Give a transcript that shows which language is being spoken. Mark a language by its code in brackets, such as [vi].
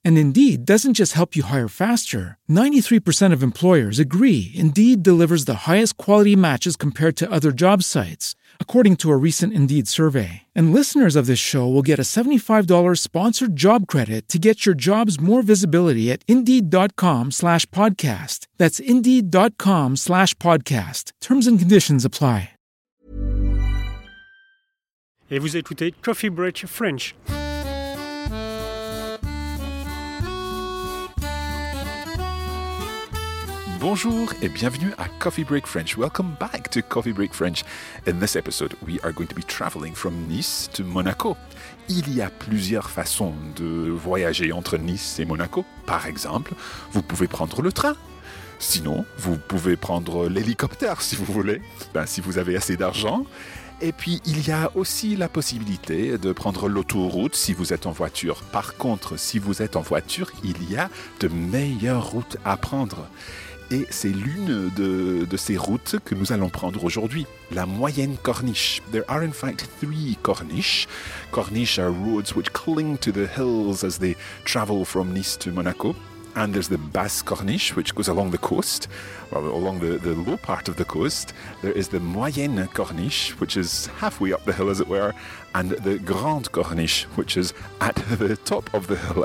[en] And Indeed doesn't just help you hire faster. 93% of employers agree Indeed delivers the highest quality matches compared to other job sites, according to a recent Indeed survey. And listeners of this show will get a $75 sponsored job credit to get your jobs more visibility at Indeed.com/podcast. That's Indeed.com/podcast. Terms and conditions apply. [fr] Et vous écoutez Coffee Break French. Bonjour et bienvenue à Coffee Break French. [en] Welcome back to Coffee Break French. In this episode, we are going to be traveling from Nice to Monaco. [fr] Il y a plusieurs façons de voyager entre Nice et Monaco. Par exemple, vous pouvez prendre le train. Sinon, vous pouvez prendre l'hélicoptère si vous voulez, si vous avez assez d'argent. Et puis, il y a aussi la possibilité de prendre l'autoroute si vous êtes en voiture. Par contre, si vous êtes en voiture, il y a de meilleures routes à prendre. Et c'est l'une de ces routes que nous allons prendre aujourd'hui, la moyenne corniche. [en] There are in fact three corniches. Corniches are roads which cling to the hills as they travel from Nice to Monaco. And there's the basse corniche, which goes along the coast, or along the low part of the coast. There is the moyenne corniche, which is halfway up the hill, as it were, and the grande corniche, which is at the top of the hill.